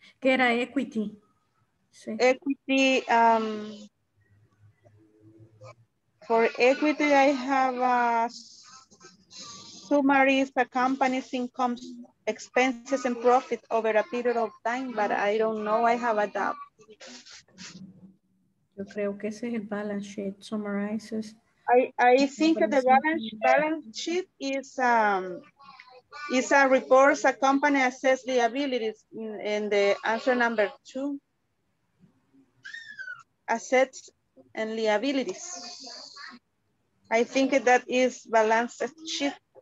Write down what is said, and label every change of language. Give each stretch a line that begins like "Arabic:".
English: Equity. Equity. For equity, I have a summary of the company's income, expenses, and profit over a period of time, but I don't know. I have a doubt.
Spanish: Yo creo que ese es el
English: balance sheet summarizes. I think that the balance sheet is a report a company assess liabilities in the answer number 2. Assets and liabilities. I think that is balance sheet.